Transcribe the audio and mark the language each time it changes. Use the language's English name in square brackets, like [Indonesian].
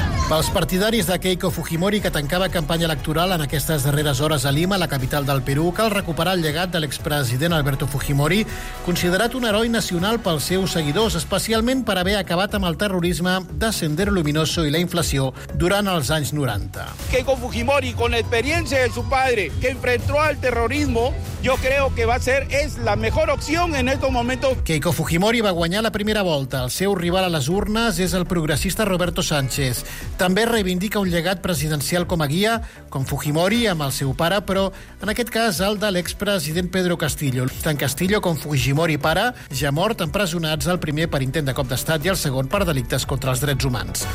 [Catalan] Pels partidaris de Keiko Fujimori, que tancava campanya electoral en aquestes darreres hores a Lima, la capital del Perú, cal recuperar el llegat de l'expresident Alberto Fujimori, considerat un heroi nacional pels seus seguidors, especialment per haver acabat amb el terrorisme de Sendero Luminoso i la inflació durant els anys 90. [Spanish] Keiko Fujimori, con la experiencia de su padre, que enfrentó al terrorismo, yo creo que va a ser es la mejor opción en estos momentos. [Catalan] Keiko Fujimori va guanyar la primera volta. El seu rival a les urnes és el progressista Roberto Sánchez. També reivindica un llegat presidencial com a guia, com Fujimori amb el seu pare, però en aquest cas el de l'expresident Pedro Castillo. Tant Castillo com Fujimori pare ja mort, empresonats el primer per intent de cop d'estat i el segon per delictes contra els drets humans.